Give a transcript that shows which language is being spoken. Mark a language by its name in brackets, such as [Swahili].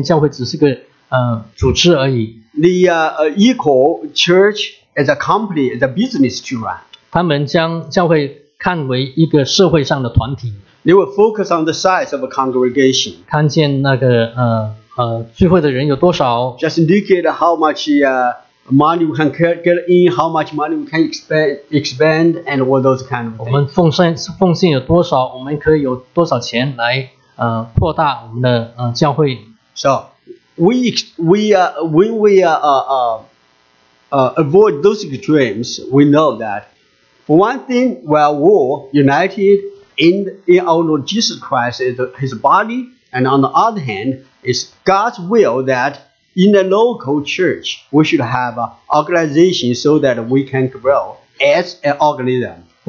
[Chinese] 我们在另外一个例子上面看见另外一个极端，就是看见教会只是个组织而已。 [English] The equal church as a company, as a business to run. [Chinese] 他们将教会看为一个社会上的团体。 [English] They will focus on the size of a congregation. [Chinese] 看见那个聚会的人有多少。 [English] Just indicate how much money we can get in, how much money we can expand, and all those kind of things. [Chinese] 我们奉献有多少, 我们可以有多少钱来, 扩大我们的, 教会。 [English] So, when we avoid those extremes, we know that, for one thing, we are all united, In our Lord Jesus Christ is his body, and on the other hand, it's God's will that in the local church we should have an organization so that we can grow as an organism.